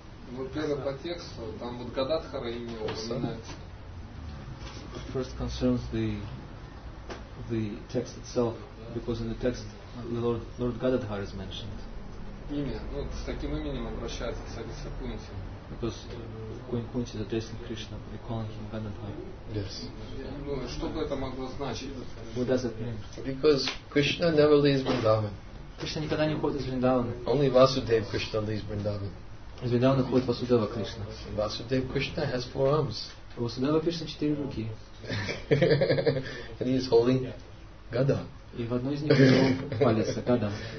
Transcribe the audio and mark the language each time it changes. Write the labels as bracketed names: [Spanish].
[Russian] Ну, первый по тексту, там вот Гададхара имя упоминается. [English] First concerns the text itself, because in the text the Lord Gadadhara is mentioned. [Russian] Имя, ну, с таким именем обращается царица Кунти. [English] Because Кунти is addressing Krishna, they're calling him Gadadhara. Yes. [Russian] Ну, что бы это могло значить? [English] What does it mean? Because Krishna never leaves Vrindavan. [Russian] Кришна никогда не уходит из Вриндавана. [English] Only Vasudev Krishna leaves Vrindavan. [Russian] Из Вриндавана уходит Васудева Кришна. [English] Vasudev Krishna has four arms. [Russian] Васудева Кришна четыре руки. [English] And he is holding Gada. [Russian] И в одной из них его палец, Gada.